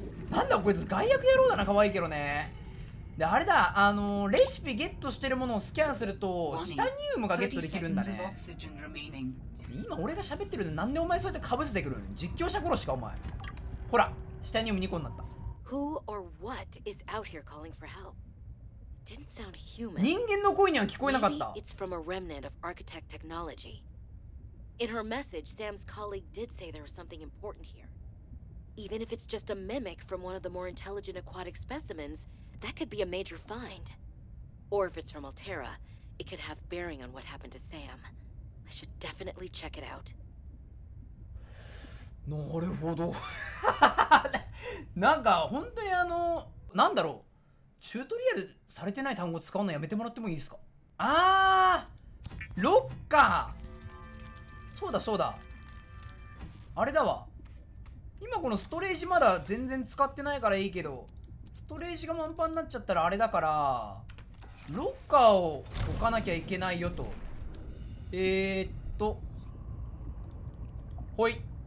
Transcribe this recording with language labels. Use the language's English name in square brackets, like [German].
[Japanese] なんだこいつ、害悪野郎だな。可愛いけどね。で、あれだ、レシピゲットしてるものをスキャンするとチタニウムがゲットできるんだね。今俺が喋ってるのなんでお前そうやってかぶせてくるん。実況者殺しか、お前。ほら、下にも2個になった。 [English] Who or what is out here calling for help? Didn't sound human. [Japanese] 人間の声には聞こえなかった。 [English] Maybe it's from a remnant of architect technology. In her message, Sam's colleague did say there was something important here. Even if it's just a mimic from one of the more intelligent aquatic specimens, that could be a major find. Or if it's from Altera, it could have bearing on what happened to Sam. I should definitely check it out. [Japanese] なるほど。なんか本当に何だろう、チュートリアルされてない単語使うのやめてもらってもいいですか。あー、ロッカー。そうだそうだ、あれだわ。今このストレージまだ全然使ってないからいいけど、ストレージが満杯になっちゃったらあれだから、ロッカーを置かなきゃいけないよと。ほい。